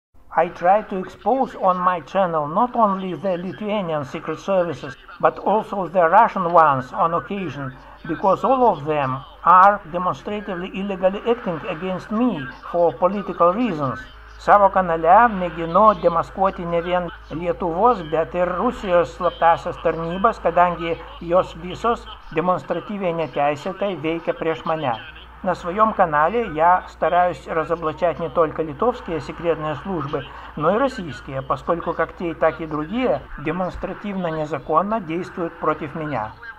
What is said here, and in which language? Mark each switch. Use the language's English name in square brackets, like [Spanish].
[English] I try to expose on my channel not only the Lithuanian secret services, but also the Russian ones on occasion, because all of them are demonstratively illegally acting against me for political reasons. [Lithuanian] Savo kanale mėginu demaskuoti ne vien Lietuvos, bet ir Rusijos slaptąsias tarnybas, kadangi jos visos demonstratyviai neteisėtai veikia prieš mane. [Russian] На своем канале я стараюсь разоблачать не только литовские секретные службы, но и российские, поскольку как те, так и другие демонстративно незаконно действуют против меня.